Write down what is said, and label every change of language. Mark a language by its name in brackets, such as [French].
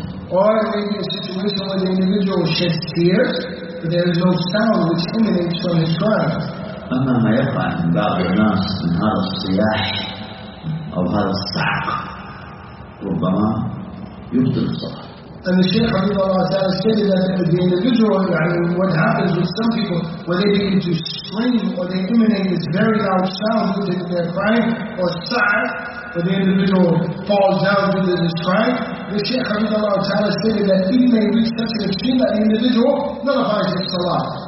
[English] Or it may be a situation where the individual sheds tears, but there is no sound which emanates from his cries. [Arabic] أما ما يقع من بعض الناس من هذا الصياح أو هذا الصعق ربما يبطل الصلاة. [English] And the Shaykh Habib Allah Ta'ala stated that the individual, what happens with some people, when they begin to scream or they emanate this very loud sound due to their crying or sa'ah, when the individual falls down due to this crying, the Shaykh Habib Allah Ta'ala stated that he may reach such an extreme that the individual nullifies his salah.